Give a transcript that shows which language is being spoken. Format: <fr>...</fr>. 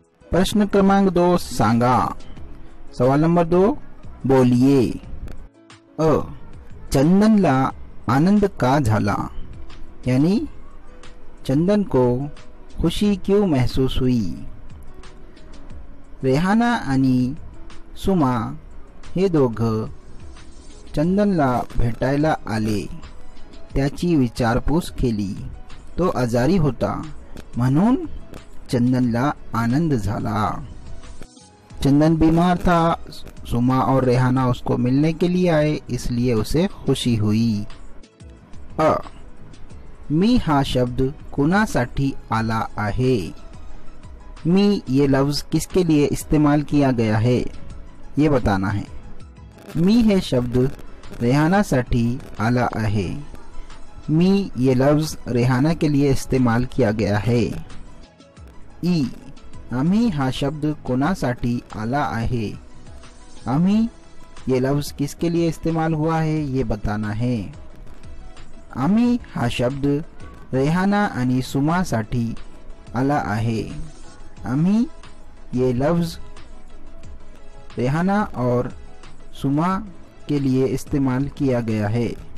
<mr>प्रश्न क्रमांक दो, सांगा।</mr> <hi>सवाल नंबर दो, बोलिए।</hi> <mr>अ, चंदन ला आनंद का झाला,</mr> <hi>यानी चंदन को खुशी क्यों महसूस हुई।</hi> <mr>रेहाना आणि सुमा हे दोघ चंदनला भेटायला आले, त्याची विचारपूस केली, तो आजारी होता म्हणून चंदनला आनंद झाला।</mr> <hi>चंदन बीमार था, सुमा और रेहाना उसको मिलने के लिए आए, इसलिए उसे खुशी हुई।</hi> <mr>अ, मी हा शब्द कुणासाठी आला आहे,</mr> <hi>मी ये लफ्ज किसके लिए इस्तेमाल किया गया है ये बताना है।</hi> <mr>मी है शब्द रेहाना साठी आला आहे,</mr> <hi>मी ये लफ्ज रेहाना के लिए इस्तेमाल किया गया है।</hi> <mr>ई, आम्ही हा शब्द कोणासाठी आला आहे,</mr> <hi>आम्ही ये लफ्ज किसके लिए इस्तेमाल हुआ है ये बताना है।</hi> <mr>आम्ही हा शब्द रेहाना आणि सुमा साठी आला आहे,</mr> <hi>आम्ही ये लफ्ज रेहाना और सुमा के लिए इस्तेमाल किया गया है।</hi>